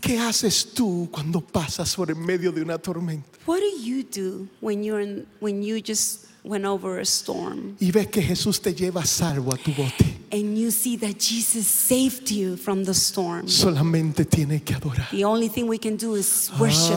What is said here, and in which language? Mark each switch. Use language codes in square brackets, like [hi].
[es] ¿Qué haces tú cuando pasas por en medio de una tormenta? [en] What do you do when you just went over a storm? [es] Y ves que Jesús te lleva salvo a tu bote. [en] And you see that Jesus saved you from the storm. [es] Solamente tiene que adorar. [en] The only thing we can do is worship